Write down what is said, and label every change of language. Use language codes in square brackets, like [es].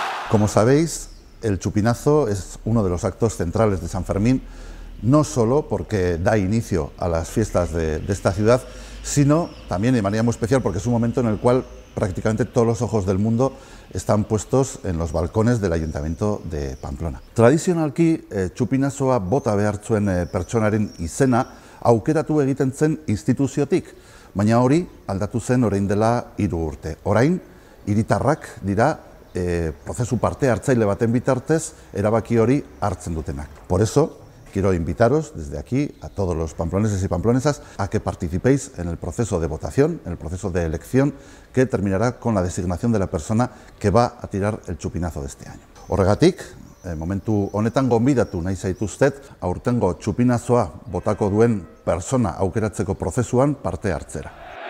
[es] Como sabéis, el chupinazo es uno de los actos centrales de San Fermín, no solo porque da inicio a las fiestas de esta ciudad, sino también, de manera muy especial, porque es un momento en el cual prácticamente todos los ojos del mundo están puestos en los balcones del Ayuntamiento de Pamplona. [eu] Tradizionalki, txupinazoa bota behar zuen pertsonaren izena aukeratu egiten zen instituziotik, baina hori aldatu zen orain dela hiru urte. Orain, hiritarrak dira prozesu parte hartzaile baten bitartez erabaki hori hartzen dutenak. [es] Por eso, quiero invitaros desde aquí a todos los pamploneses y pamplonesas a que participéis en el proceso de votación, en el proceso de elección que terminará con la designación de la persona que va a tirar el chupinazo de este año. [eu] Horregatik, momentu honetan gonbidatu nahi zaituztet aurtengo txupinazoa botako duen persona aukeratzeko prozesuan parte hartzera.